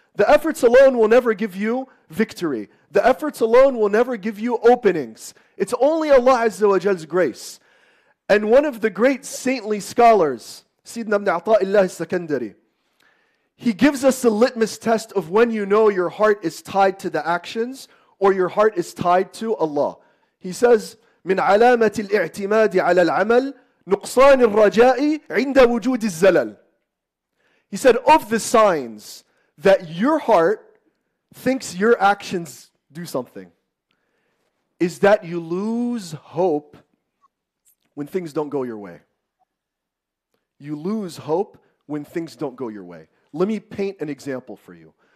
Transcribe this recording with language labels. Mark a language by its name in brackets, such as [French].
[English] The efforts alone will never give you victory. The efforts alone will never give you openings. It's only Allah Azza wa Jal's grace. And one of the great saintly scholars, Sayyidina Ibn Ata'illah al-Sakandari, he gives us a litmus test of when you know your heart is tied to the actions or your heart is tied to Allah. He says, [Arabic] مِنْ عَلَامَةِ الْإِعْتِمَادِ عَلَى الْعَمَلِ نُقْصَانِ الرَّجَاءِ عِنْدَ وُجُودِ الزَّلَلِ. [English] He said, of the signs that your heart thinks your actions do something. is that you lose hope when things don't go your way. You lose hope when things don't go your way. Let me paint an example for you.